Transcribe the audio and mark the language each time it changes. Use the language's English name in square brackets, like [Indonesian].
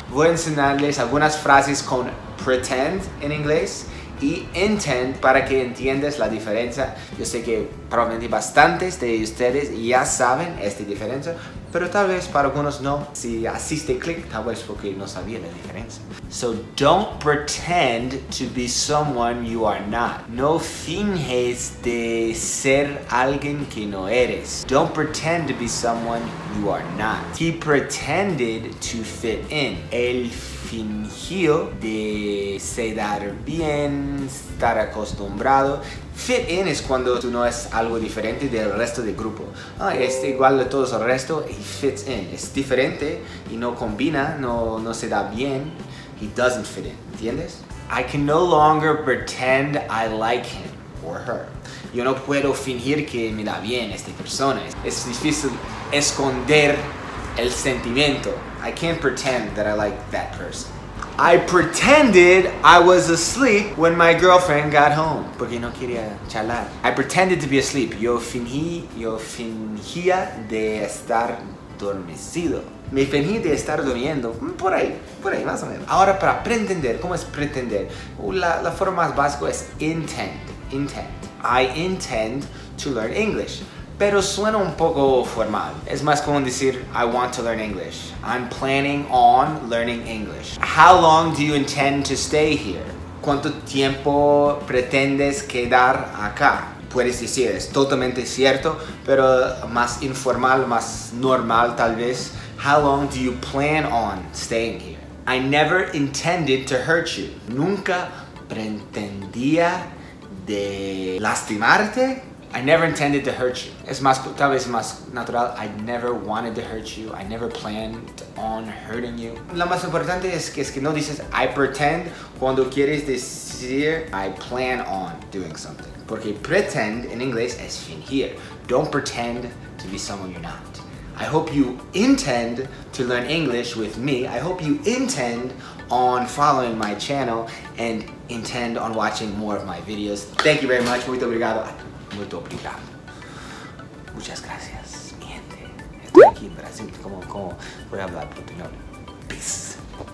[Spanish] Voy a enseñarles algunas frases con pretend en inglés y intend para que entiendas la diferencia. Yo sé que probablemente bastantes de ustedes ya saben esta diferencia, pero tal vez para algunos no. Si asiste click, tal vez porque no sabía la diferencia. [English] So don't pretend to be someone you are not. [Spanish] No finges de ser alguien que no eres. [English] Don't pretend to be someone you are not. He pretended to fit in. [Spanish] Él fingió de quedar bien, estar acostumbrado. Fit in es cuando tú no es algo diferente del resto del grupo. Ah, es igual de todos el resto, [English] he fits in. [Spanish] Es diferente y no combina, no se da bien. [English] He doesn't fit in, [Spanish] ¿entiendes? [English] I can no longer pretend I like him or her. [Spanish] Yo no puedo fingir que me da bien esta persona. Es difícil esconder el sentimiento. [English] I can't pretend that I like that person. I pretended I was asleep when my girlfriend got home. [Spanish] Porque no quería charlar. [English] I pretended to be asleep. [Spanish] Yo fingía de estar dormecido. Me fingí de estar durmiendo. Por ahí, más o menos. Ahora, para pretender, ¿cómo es pretender? La forma más básica es [English] intend. Intend. I intend to learn English. [Spanish] Pero suena un poco formal. Es más común decir, [English] I want to learn English. I'm planning on learning English. How long do you intend to stay here? [Spanish] ¿Cuánto tiempo pretendes quedar acá? Puedes decir, es totalmente cierto, pero más informal, más normal tal vez. [English] How long do you plan on staying here? I never intended to hurt you. [Spanish] Nunca pretendía de lastimarte. [English] I never intended to hurt you. [Spanish] Es más, tal vez más natural. [English] I never wanted to hurt you. I never planned on hurting you. [Spanish] Lo más importante es que no dices I pretend cuando quieres decir [English] I plan on doing something. [Spanish] Porque pretend en inglés es fingir. [English] Don't pretend to be someone you're not. I hope you intend to learn English with me. I hope you intend on following my channel and intend on watching more of my videos. Thank you very much. [Portuguese] Muito obrigado. Muito obrigado. [Spanish] Muchas gracias, mi gente. Estoy aquí en Brasil. ¿Cómo voy a hablar por tu nombre? Peace.